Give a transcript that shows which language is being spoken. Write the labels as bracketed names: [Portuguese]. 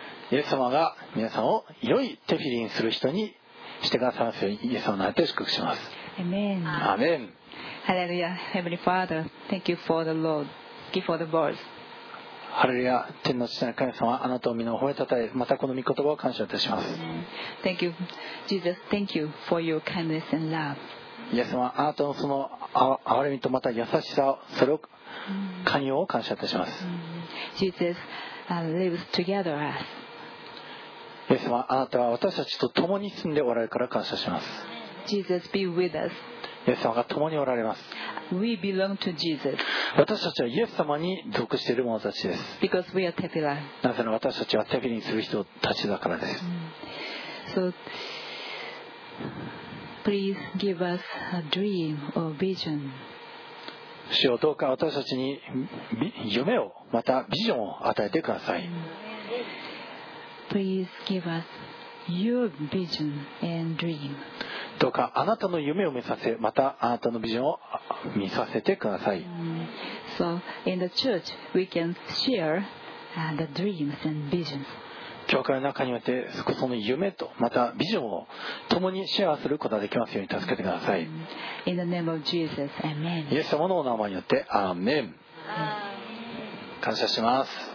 [Japanese] イエス様が皆さんを良いテフィリンする人にしてくださいますように、イエス様の名で祝福します。アメン。アメン。 [English] ハレルヤ、Heavenly Father, thank you for the Lord, give for the words. [Japanese] ハレルヤ、天の父なる神様、あなたを御の褒めたたえ、またこの御言葉を感謝いたします。 [English] Thank you, Jesus, thank you for your kindness and love. [Japanese] イエス様、あなたのその憐れみとまた優しさ、それを寛容を感謝いたします。 [English] Jesus lives together us. [Japanese] イエス様、あなたは私たちと共に住んでおられるから感謝します。 [English] Jesus be with us. [Japanese] イエス様が共におられます。 [English] We belong to Jesus. [Japanese] 私たちはイエス様に属している者たちです。 [English] Because we are tefillah. [Japanese] なぜなら私たちはテフィリンする人たちだからです。 [English] So, please give us a dream or vision. [Japanese] 主よ、どうか私たちに夢を、またビジョンを与えてください。 [English] Please give us your vision and dream. [Japanese] どうかあなたの夢を見させ、またあなたのビジョンを見させてください。 [English] So in the church we can share the dreams and visions. [Japanese] 教会の中において、その夢とまたビジョンを共にシェアすることができますように助けてください。 [English] In the name of Jesus, Amen. [Japanese] イエス様のお名前によって、アーメン。感謝します。